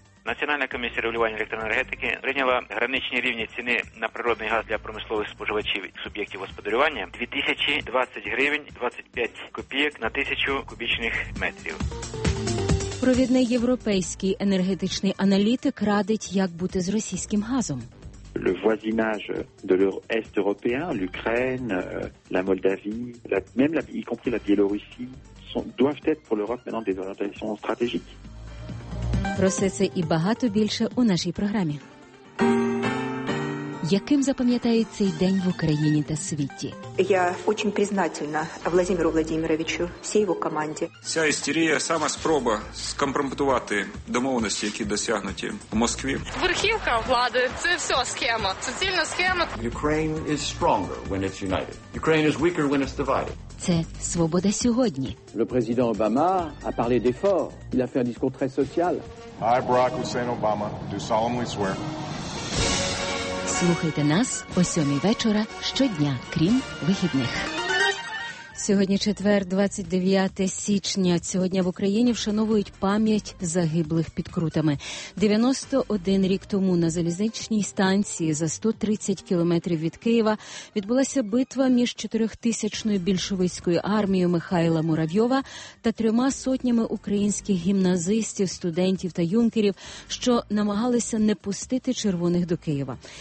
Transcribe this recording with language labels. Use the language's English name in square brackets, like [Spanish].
[Ukrainian] Національна комісія регулювання електроенергетики прийняла граничні рівні ціни на природний газ для промислових споживачів і суб'єктів господарювання 2020 гривень 25 копійок на 1000 кубічних метрів. Провідний європейський енергетичний аналітик радить, як бути з російським газом. [French] Le voisinage de l'Est européen, l'Ukraine, la Moldavie, même la y compris la Biélorussie doivent être pour l'Europe maintenant des orientations stratégiques. [Ukrainian] Про все це і багато більше у нашій програмі. Яким запам'ятається цей день в Україні та світі? Я дуже [Russian] признательна [Ukrainian] Владимиру Владимировичу, всій його команді. Ця істерія – сама спроба скомпрометувати домовленості, які досягнуті в Москві. Верхівка влади – це все схема, суцільна схема. [English] Ukraine is stronger when it's united. Ukraine is weaker when it's divided. [Ukrainian] Це «Свобода сьогодні». [French] Le président Obama a parlé d'effort. Il a fait un discours très social. [English] I, Barack Hussein Obama, do solemnly swear. [Ukrainian] Слухайте нас о 7 вечора щодня, крім вихідних. Сьогодні четвер, 29 січня. Сьогодні в Україні вшановують пам'ять загиблих під Крутами. 91 рік тому на залізничній станції за 130 кілометрів від Києва відбулася битва між 4-тисячною більшовицькою армією Михайла Муравйова та 300 українських гімназистів, студентів та юнкерів, що намагалися не пустити червоних до Києва.